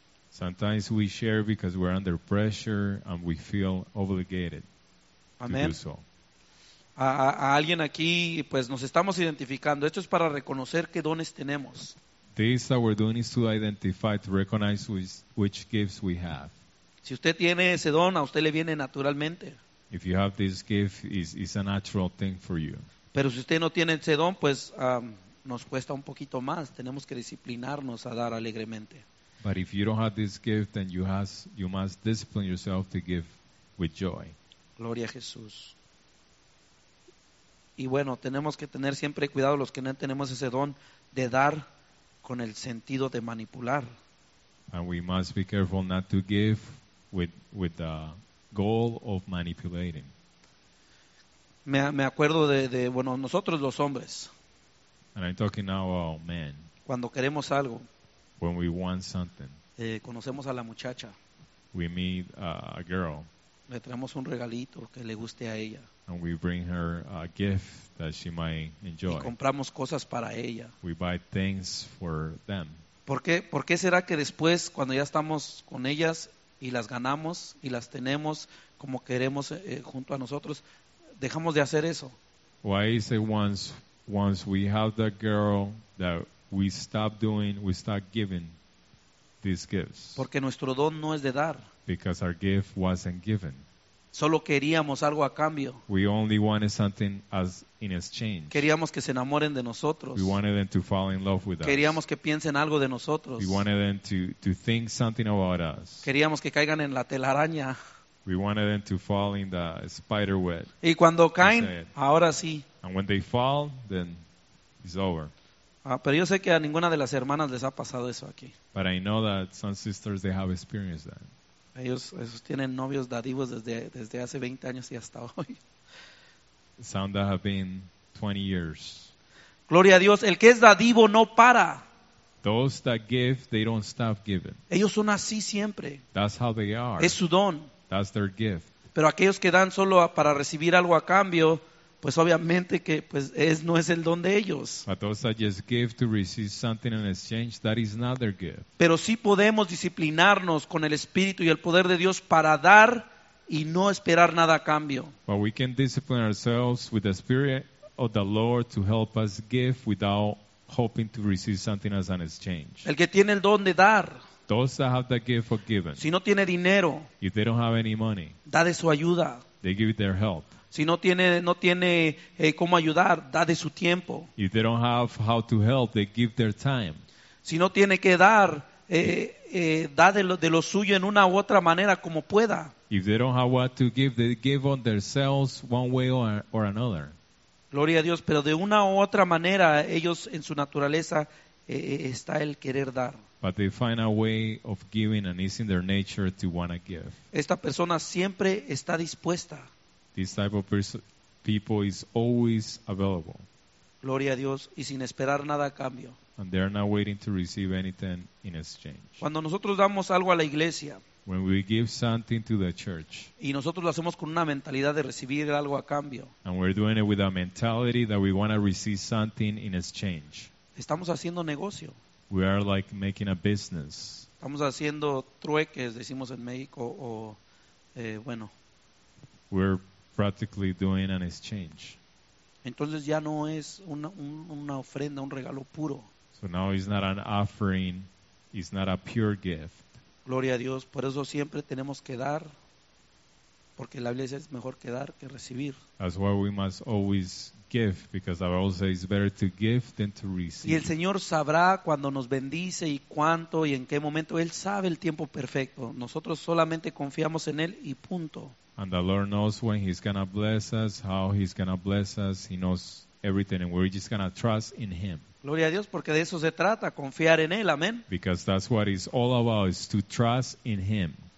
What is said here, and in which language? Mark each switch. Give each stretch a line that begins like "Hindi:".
English: Sometimes we share because we're under pressure and we feel obligated.
Spanish: Amén.
English: To do so.
Spanish: A alguien aquí, pues nos estamos identificando. Esto es para reconocer qué dones tenemos.
English: This that we're doing is to identify, to recognize which gifts we have.
Spanish: Si usted tiene ese don, a usted le viene naturalmente.
English: If you have this gift, it's a natural thing for you.
Spanish: Pero si usted no tiene ese don, pues nos cuesta un poquito más. Tenemos que disciplinarnos a dar alegremente.
English: But if you don't have this gift, then you must discipline yourself to give with joy.
Spanish: Gloria a Jesús. Y bueno, tenemos que tener siempre cuidado los que no tenemos ese don de dar con el sentido de manipular.
English: And we must be careful not to give with the goal of manipulating.
Spanish: Me acuerdo de bueno, nosotros los hombres.
English: And I'm talking now about men.
Spanish: Cuando queremos algo.
English: When we want something.
Spanish: Conocemos a la muchacha.
English: We meet a girl.
Spanish: Le traemos un regalito que le guste a ella.
English: And we bring her a gift that she might enjoy.
Spanish: Y compramos cosas para ella.
English: We buy things for them.
Spanish: ¿Por qué será que después, cuando ya estamos con ellas y las ganamos y las tenemos como queremos junto a nosotros, dejamos de hacer eso?
English: Why is it once we have that girl that we stop giving these gifts?
Spanish: Porque nuestro don no es de dar.
English: Because our gift wasn't given.
Spanish: Solo queríamos algo a cambio.
English: We only wanted something as in exchange.
Spanish: Queríamos que se enamoren de nosotros.
English: We wanted them to fall in love with
Spanish: queríamos
English: us.
Spanish: Que piensen algo de nosotros.
English: We wanted them to think something about us.
Spanish: Queríamos que caigan en la telaraña.
English: We wanted them to fall in the spider web.
Spanish: Y cuando caen, ahora sí.
English: And when they fall, then it's over.
Spanish: Ah, pero yo sé que a ninguna de las hermanas les ha pasado eso aquí.
English: But I know that some sisters, they have experienced that.
Spanish: Ellos tienen novios dadivos desde hace 20 años y hasta hoy.
English: Some that have been 20 years.
Spanish: Gloria a Dios, el que es dadivo no para.
English: Those that give, they don't stop giving.
Spanish: Ellos son así siempre.
English: That's how they are.
Spanish: Es su don.
English: That's their gift.
Spanish: Pero aquellos que dan solo para recibir algo a cambio, pues obviamente que pues no es el don de ellos.
English: But those that just give to receive something in exchange, that is not their gift.
Spanish: Pero sí podemos disciplinarnos con el Espíritu y el poder de Dios para dar y no esperar nada a cambio.
English: But we can discipline ourselves with the Spirit of the Lord to help us give without hoping to receive something as an exchange.
Spanish: El que tiene el don de dar.
English: Those that have the gift of giving.
Spanish: Si no tiene dinero.
English: If they don't have any money.
Spanish: Da de su ayuda.
English: They give their help.
Spanish: Si no tiene cómo ayudar, da de su tiempo.
English: If they don't have how to help, they give their time.
Spanish: Si no tiene que dar, da de lo suyo en una u otra manera como pueda.
English: If they don't have what to give, they give on themselves one way or another.
Spanish: Gloria a Dios, pero de una u otra manera ellos en su naturaleza está el querer dar.
English: But they find a way of giving, and it's in their nature to want to give.
Spanish: Esta persona siempre está dispuesta.
English: This type of people is always available.
Spanish: Gloria a Dios, y sin esperar nada a cambio.
English: And they are not waiting to receive anything in exchange.
Spanish: Cuando nosotros damos algo a la iglesia,
English: when we give something to the church,
Spanish: y nosotros lo hacemos con una mentalidad de recibir algo a cambio,
English: and we're doing it with a mentality that we want to receive something in exchange,
Spanish: estamos haciendo negocio.
English: We are like making a business.
Spanish: Estamos haciendo trueques, decimos en México, bueno.
English: We're practically doing an exchange.
Spanish: Entonces ya no es una ofrenda, un regalo puro.
English: So now it's not an offering, it's not a pure gift.
Spanish: Gloria a Dios, por eso siempre tenemos que dar, porque la Biblia es mejor que dar que recibir.
English: That's why we must always give, because the Bible says it's better to give than to receive.
Spanish: Y el Señor sabrá cuando nos bendice y cuánto y en qué momento. Él sabe el tiempo perfecto. Nosotros solamente confiamos en Él y punto.
English: And the Lord knows when He's going to bless us, how He's going to bless us. He knows everything, and we're just going to trust in Him.
Spanish: Gloria a Dios, porque de eso se trata, confiar en Él. Amén.
English: Because that's what it's all about, is to trust in Him.